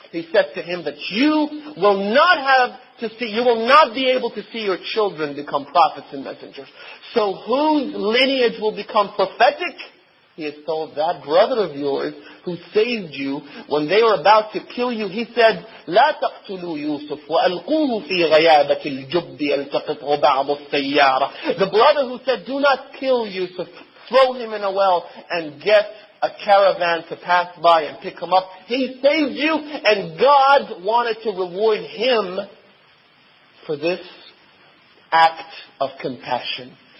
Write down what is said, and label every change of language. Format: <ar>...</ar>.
<en>He said to him that you will not have to see, you will not be able to see your children become prophets and messengers. So whose lineage will become prophetic? He has told that brother of yours who saved you when they were about to kill you. He said,</en> <ar>لا تقتلوا يوسف وألقوه في غيابة الجب يلتقطه بعض السيارة.</ar> <en>The brother who said, do not kill Yusuf, throw him in a well and get a caravan to pass by and pick him up. He saved you, and God wanted to reward him for this act of compassion.</en>